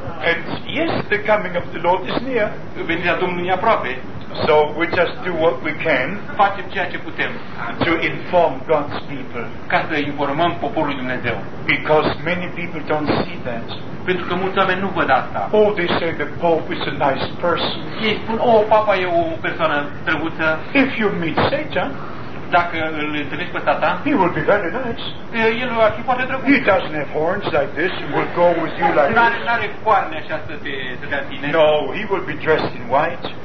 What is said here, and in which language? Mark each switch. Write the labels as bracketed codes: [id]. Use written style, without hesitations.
[en] And yes, the coming of the Lord is near. [ro] Venirea Domnului e aproape. [en] So we just do what we can. [ro] Facem ceea ce putem. [en] To inform God's people. [ro] Ca să informăm poporul lui Dumnezeu. [en] Because many people don't see that. [ro] Pentru că mulți oameni nu văd asta. [en] Oh, they say the Pope is a nice person. [ro] Ei spun, oh, Papa e o persoană drăguță. [en] If you meet Satan, [ro] dacă îl întâlnești pe Satan, [en] he will be very nice. [ro] El ar fi foarte drăguț. [en] He doesn't have horns like this. He will go with you like this. [ro] N-are coarne așa să te dea tine. [en] No, he will be dressed in white.